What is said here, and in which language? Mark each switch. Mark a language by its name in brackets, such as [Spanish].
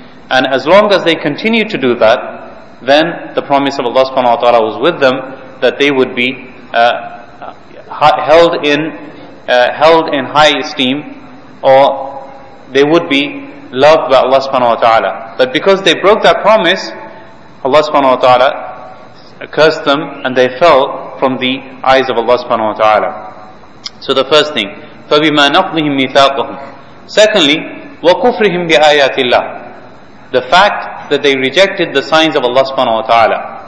[English] And as long as they continued to do that, then the promise of Allah subhanahu wa ta'ala was with them that they would be held in high esteem, or they would be loved by Allah subhanahu wa ta'ala. But because they broke that promise, Allah subhanahu wa ta'ala cursed them and they fell from the eyes of Allah subhanahu wa ta'ala. So the first thing, [Arabic] فَبِمَا نَقْضِهِمْ مِيثَاقَهُمْ. [English] Secondly, [Arabic] وَكُفْرِهِمْ بِآيَاتِ اللَّهِ. [English] The fact that they rejected the signs of Allah subhanahu wa ta'ala.